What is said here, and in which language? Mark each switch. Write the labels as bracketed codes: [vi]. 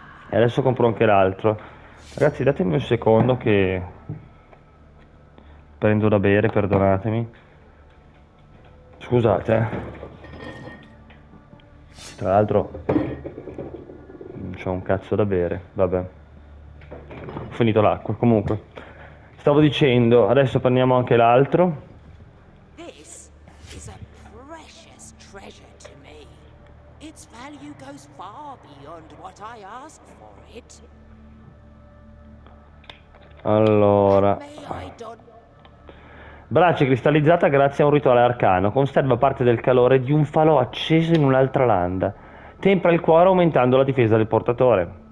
[it] E adesso compro anche l'altro. Ragazzi, datemi un secondo che prendo da bere, perdonatemi. Scusate. Tra l'altro non c'ho un cazzo da bere, vabbè, ho finito l'acqua. Comunque, stavo dicendo, adesso prendiamo anche l'altro. [en] This is a precious treasure to me. Its value goes far beyond what I ask for it. [it] Allora, brace cristallizzata grazie a un rituale arcano conserva parte del calore di un falò acceso in un'altra landa. Tempra il cuore aumentando la difesa del portatore.